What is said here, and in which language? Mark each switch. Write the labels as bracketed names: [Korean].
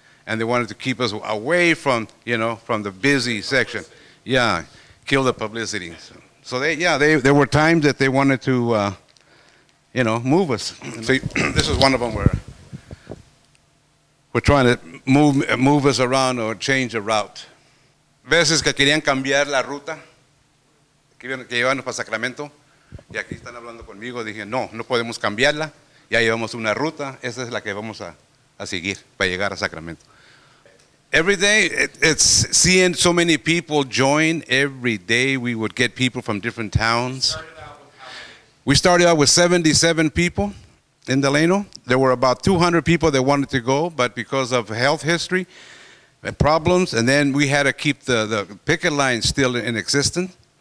[English] And they wanted to keep us away from, you know, from the busy section. Yeah, kill the publicity. So there were times that they wanted to, you know, move us. So this is one of them where we're trying to move us around or change the route. [Spanish] Veces que querían cambiar la ruta, que llevamos para Sacramento, y aquí están hablando conmigo, dije, no, no podemos cambiarla, ya llevamos una ruta, esa es la que vamos a seguir para llegar a Sacramento. [English] Every day, it's seeing so many people join. Every day, we would get people from different towns. We started out with 77 people in Delano. There were about 200 people that wanted to go, but because of health history and problems, and then we had to keep the picket line still in existence.